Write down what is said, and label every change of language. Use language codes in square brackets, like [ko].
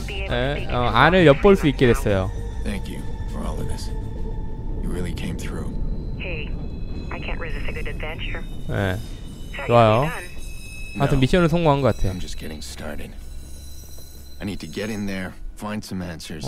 [ko] 예, 어, 안을 엿볼 수 있게 됐어요. [en] Thank you for all of this. You really came through. Hey, I can't resist a good adventure. [ko] 예, 좋아요. 하여튼 미션을 성공한 것 같아요. [en] I'm just getting started. I need to get in there, find some answers.